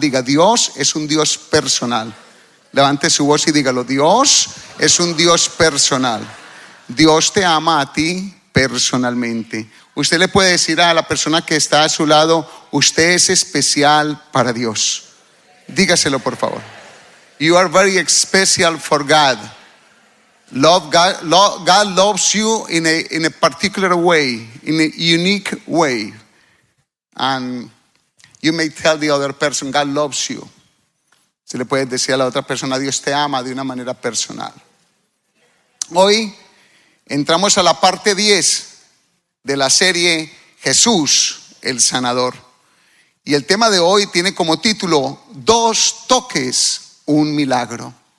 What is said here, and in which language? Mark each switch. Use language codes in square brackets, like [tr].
[es] Diga, Dios es un Dios personal. Levante su voz y dígalo. Dios es un Dios personal. Dios te ama a ti personalmente. Usted le puede decir a la persona que está a su lado, usted es especial para Dios. Dígaselo, por favor. [en] You are very special for God. God loves you in a particular way, in a unique way. And you may tell the other person, God loves you. [es] Se le puede decir a la otra persona, Dios te ama, de una manera personal. Hoy entramos a la parte 10 de la serie Jesús, el sanador. Y el tema de hoy tiene como título, dos toques, un milagro.